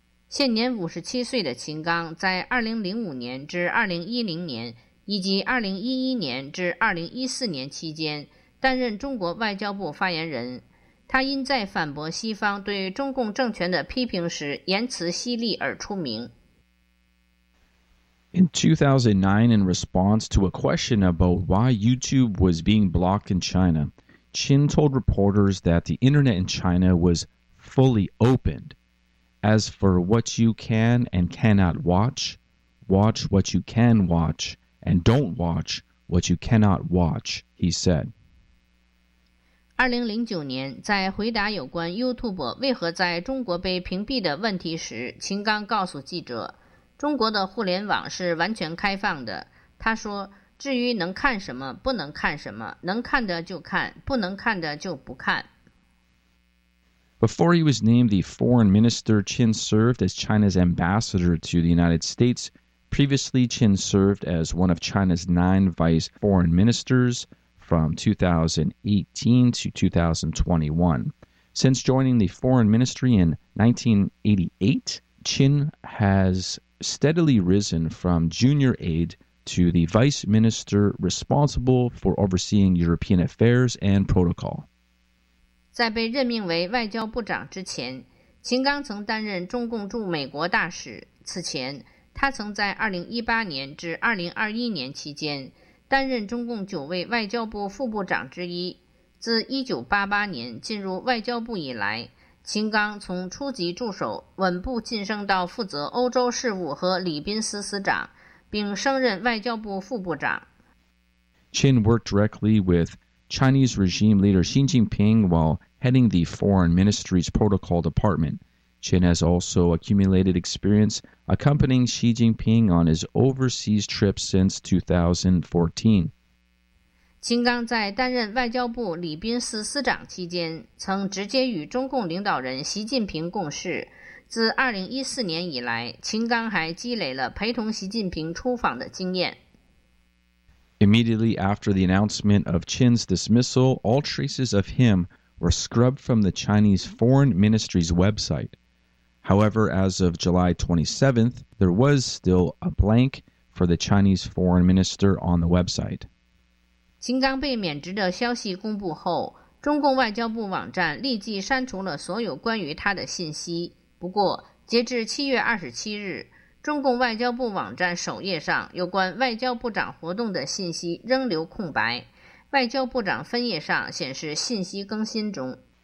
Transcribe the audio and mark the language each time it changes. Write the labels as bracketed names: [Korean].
[Chinese] 现年57岁的秦刚在2005年至2010年以及2011年至2014年期间担任中国外交部发言人。他因在反驳西方对中共政权的批评时言辞犀利而出名。 [English] In 2009, in response to a question about why YouTube was being blocked in China, Chin told reporters that the internet in China was fully opened. As for what you can and cannot watch, watch what you can watch, and don't watch what you cannot watch, he said. [Chinese] 2009年，在回答有关 YouTube 为何在中国被屏蔽的问题时，秦刚告诉记者，中国的互联网是完全开放的。他说，至于能看什么，不能看什么，能看的就看，不能看的就不看。 [English] Before he was named the foreign minister, Chin served as China's ambassador to the United States. Previously, Chin served as one of China's 9 vice foreign ministers from 2018 to 2021. Since joining the foreign ministry in 1988, Chin has steadily risen from junior aide to the vice minister responsible for overseeing European affairs and protocol. [Chinese] 在被任命为外交部长之前，秦刚曾担任中共驻美国大使。此前，他曾在2018年至2021年期间担任中共九位外交部副部长之一。自1988年进入外交部以来，秦刚从初级助手稳步晋升到负责欧洲事务和礼宾司司长，并升任外交部副部长。 [English] Chin worked directly with Chinese regime leader Xi Jinping while heading the foreign ministry's protocol department. Chin has also accumulated experience accompanying Xi Jinping on his overseas trips since 2014. [Chinese] 秦刚在担任外交部礼宾司司长期间曾直接与中共领导人习近平共事。自2014年以来，秦刚还积累了陪同习近平出访的经验。 [English] Immediately after the announcement of Chin's dismissal, all traces of him were scrubbed from the Chinese Foreign Ministry's website. However, as of July 27th, there was still a blank for the Chinese Foreign Minister on the website. [Chinese] 秦刚被免职的消息公布后，中共外交部网站立即删除了所有关于他的信息。不过，截至7月27日，中共外交部网站首页上有关外交部长活动的信息仍留空白，外交部长分页上显示信息更新中。